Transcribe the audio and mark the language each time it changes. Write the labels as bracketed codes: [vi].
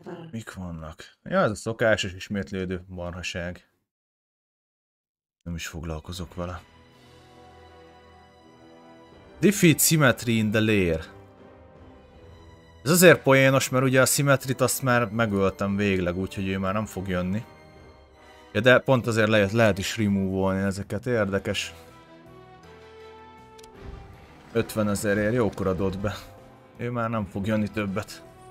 [hu] Mik vannak? Ja, ez a szokásos ismétlődő barhaság. Nem is foglalkozok vele. [en] Defeat Symmetry in the Lair. [hu] Ez azért poénos, mert ugye a Symmetrit azt már megöltem végleg, úgyhogy ő már nem fog jönni. Ja, de pont azért lehet is remove-olni ezeket, érdekes. 50 ezerért jókor adott be. Ő már nem fog jönni többet.